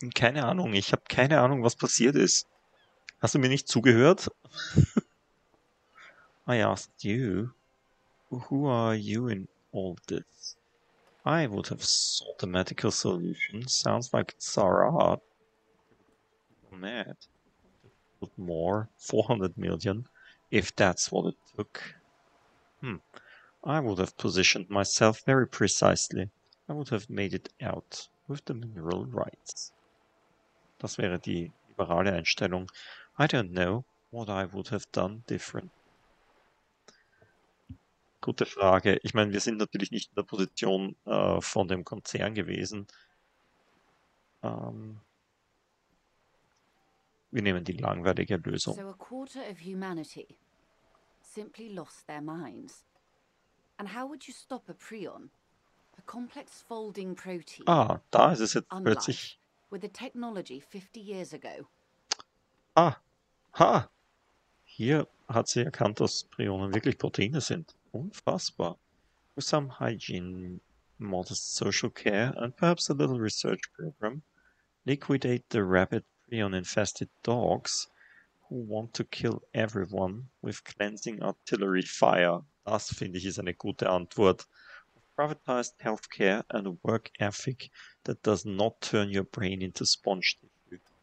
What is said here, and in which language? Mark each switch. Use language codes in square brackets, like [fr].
[de] Keine Ahnung, ich habe keine Ahnung, was passiert ist. Hast du mir nicht zugehört? [en] I asked you, who are you in all this? I would have sought a medical solution. Sounds like Zara. Mad. But more, 400 million, if that's what it took. I would have positioned myself very precisely. I would have made it out with the mineral rights. [de] Das wäre die liberale Einstellung. [en] I don't know what I would have done different. [de] Gute Frage. Ich meine, wir sind natürlich nicht in der Position von dem Konzern gewesen. Wir nehmen die langweilige Lösung. [en] So a quarter of humanity simply lost their minds. And how would you stop a prion? A complex folding protein. [de] Ah, da ist es jetzt plötzlich. [en] With the technology 50 years ago. Ah, ha. [de] Hier hat sie erkannt, dass Prionen wirklich Proteine sind. Unfassbar. [en] With some hygiene, modest social care, and perhaps a little research program, liquidate the rabbit prion-infested dogs who want to kill everyone with cleansing artillery fire. [de] Das, finde ich, ist eine gute Antwort. [en] Privatized healthcare and a work ethic that does not turn your brain into sponge tissue.